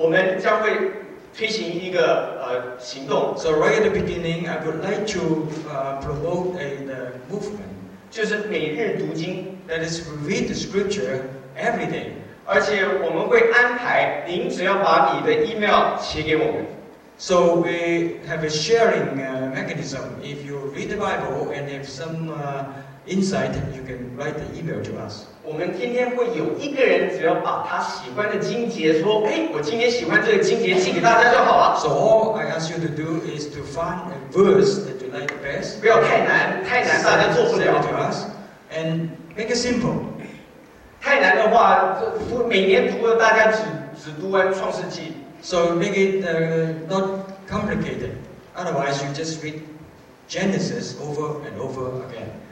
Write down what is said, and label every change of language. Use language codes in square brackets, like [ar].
[zh] 在今年初我们将会推行一个行动. [en] So right at the beginning, I would like to promote a movement. [zh] 就是每日读经. [en] That is, read the scripture every day. [zh] 而且我们会安排, 您只要把你的 email 写给我们. [en] So we have a sharing mechanism. If you read the Bible and have some insight, you can write the email to us. [zh] 我们天天会有一个人只要把他喜欢的经节说, 诶, 我今天喜欢这个经节寄给大家就好了. [en] So all I ask you to do is to find a verse that you like best. [zh] 不要太难, 太难, 大家做不了. [en] Send it to us. And make it simple. [zh] 太难的话, 每年读了大家只读完创世纪. [en] So make it not complicated. Otherwise, you just read Genesis over and over again.